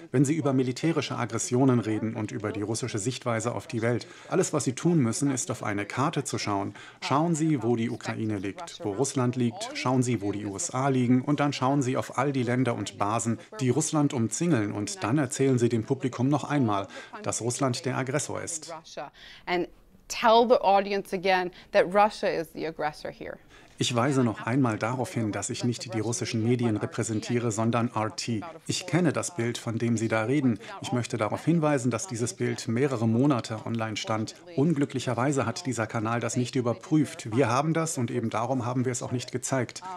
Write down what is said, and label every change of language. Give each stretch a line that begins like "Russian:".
German: Wenn Sie über militärische Aggressionen reden und über die russische Sichtweise auf die Welt, alles, was Sie tun müssen, ist, auf eine Karte zu schauen. Schauen Sie, wo die Ukraine liegt, wo Russland liegt, schauen Sie, wo die USA liegen und dann schauen Sie auf all die Länder und Basen, die Russland umzingeln und dann erzählen Sie dem Publikum noch einmal, dass Russland der Aggressor ist.
English: And tell the audience again that Russia is the aggressor here.
German: Ich weise noch einmal darauf hin, dass ich nicht die russischen Medien repräsentiere, sondern RT. Ich kenne das Bild, von dem Sie da reden. Ich möchte darauf hinweisen, dass dieses Bild mehrere Monate online stand. Unglücklicherweise hat dieser Kanal das nicht überprüft. Wir haben das und eben darum haben wir es auch nicht gezeigt.